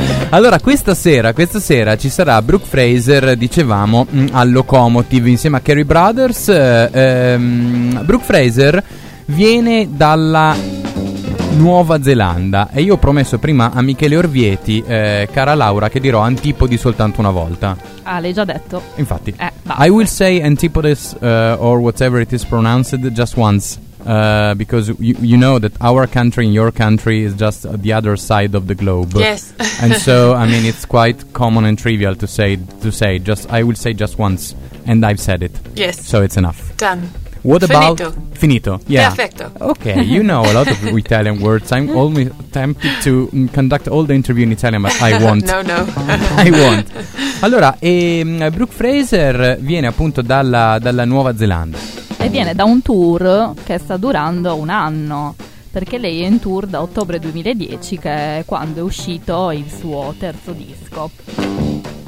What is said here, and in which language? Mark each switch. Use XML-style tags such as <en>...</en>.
<it>Allora, questa sera ci sarà Brooke Fraser, dicevamo, al Locomotive insieme a Carey Brothers. Brooke Fraser viene dalla Nuova Zelanda e io ho promesso prima a Michele Orvieti, cara Laura, che dirò antipodi soltanto una volta. Ah, l'hai già detto. Infatti.</it> <en>I will say antipodes or whatever it is pronounced just once, because you know that our country and your country is just the other side of the globe. Yes. And so, I mean, it's quite common and trivial to say just, I will say just once and I've said it. Yes. So it's enough. Done. What about</en> <it>finito?</it> <en>Yeah.</en> <it>Perfecto.</it> <en>Okay, you know a lot of Italian words. I'm only tempted to conduct all the interview in Italian, but I won't. No. I won't.</en> <it>Allora, Brooke Fraser viene appunto dalla Nuova Zelanda. E viene da un tour che sta durando un anno, perché lei è in tour da ottobre 2010, che è quando è uscito il suo terzo disco.</it>